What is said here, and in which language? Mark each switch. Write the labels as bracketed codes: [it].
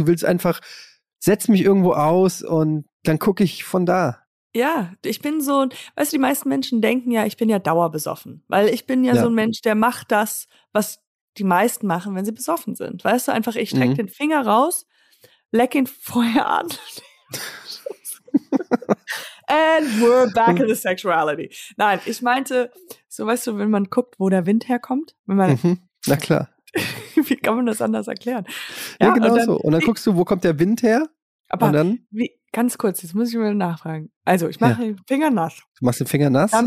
[de] Du willst einfach, setz mich irgendwo aus und dann gucke ich von da. Ja, ich bin so, weißt du, die meisten Menschen denken ja, ich bin ja dauerbesoffen. Weil ich bin ja so ein Mensch, der macht das, was die meisten machen, wenn sie besoffen sind. Weißt du, einfach, ich streck den Finger raus, leck ihn vorher an. [en] And we're back in the sexuality. [de] Nein, ich meinte, so weißt du, wenn man guckt, wo der Wind herkommt, wenn man... Mhm. Na klar. Wie kann man das anders erklären? Ja, ja, genau, und dann, so. Und dann guckst du, wo kommt der Wind her? Aber und dann, wie, ganz kurz, jetzt muss ich mal nachfragen. Also, ich mache den Finger nass. Du machst den Finger nass, dann